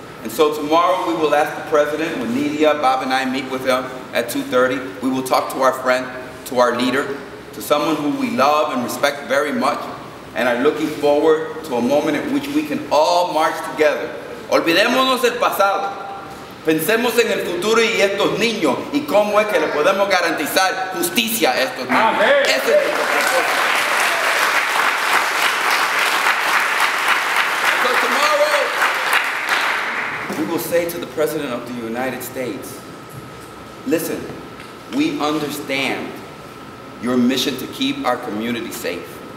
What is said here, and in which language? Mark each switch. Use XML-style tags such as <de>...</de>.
<en>And so tomorrow we will ask the president, when Nidia, Bob and I meet with him at 2:30, we will talk to our friend, to our leader, to someone who we love and respect very much, and are looking forward to a moment in which we can all march together.</en> <es>Olvidémonos el pasado. Pensemos en el futuro y estos niños y cómo es que le podemos garantizar justicia a estos niños. Amén. Eso es lo que</es> <en>so tomorrow, we will say to the President of the United States, listen, we understand your mission to keep our community safe.</en>